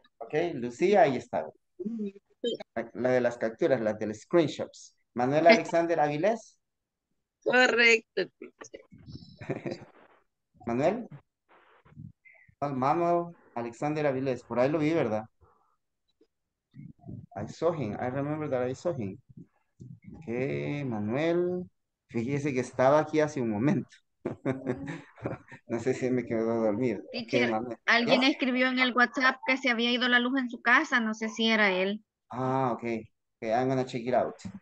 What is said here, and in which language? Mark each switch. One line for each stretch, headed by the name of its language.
Spanish: Ok, Lucía, ahí está. La de las capturas, la de los screenshots. Manuel Alexander Avilés. Correcto. Manuel. Manuel Alexander Avilés, por ahí lo vi, ¿verdad?
English: I saw him, I remember that I saw him.
Spanish: Ok, Manuel, fíjese que estaba aquí hace un momento. No sé si me quedo dormido. Teacher, okay, alguien ¿no? escribió en el WhatsApp que se había ido la luz en su casa, no sé si era él.
English: Ah, ok, okay, I'm gonna check it out.